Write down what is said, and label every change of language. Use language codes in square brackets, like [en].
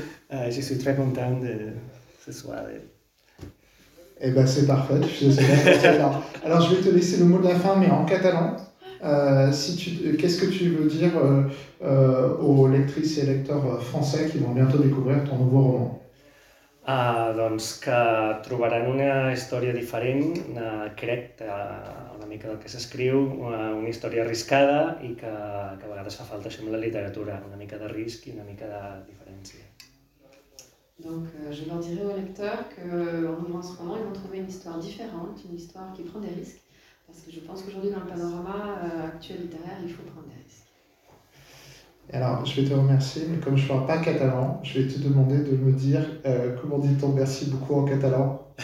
[fr] Je suis très content de ce soir. Eh bien, c'est parfait, je suis désolé. Alors, je vais te laisser le mot de la fin, mais en catalan. Qu'est-ce que tu veux dire aux lectrices et lecteurs français qui vont bientôt découvrir ton nouveau roman? [ca] Doncs que trobaran una història diferent, crec, una mica del que s'escriu, una història arriscada i que a vegades fa falta això amb la literatura, una mica de risc i una mica de diferència. [fr] Donc je leur dirai aux lecteurs qu'en ouvrant ce roman, ils vont trouver une histoire différente, une histoire qui prend des risques. Parce que je pense qu'aujourd'hui, dans le panorama actuel littéraire, il faut prendre des risques. Et alors, je vais te remercier, mais comme je ne parle pas catalan, je vais te demander de me dire comment dit-on merci beaucoup en catalan.